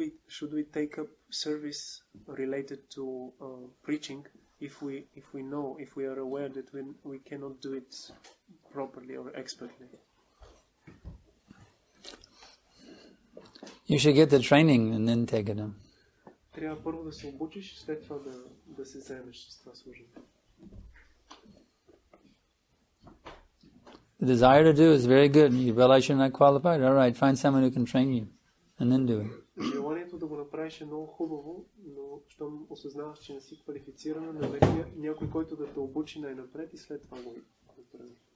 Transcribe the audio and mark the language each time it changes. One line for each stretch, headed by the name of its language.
English: Should we take up service related to preaching if we are aware that we cannot do it properly or expertly? You should get the training and then take it up.
Bulgarian: Трябва първо да се обучиш и след това да се заемеш с това служение.
English: The desire to do is very good. You realize you're not qualified. All right, find someone who can train you and then do it.
Bulgarian: Желанието да го направиш е много хубаво, но щом осъзнаваш, че не си квалифицирана, намери някой, който да те обучи най-напред и след това го направи.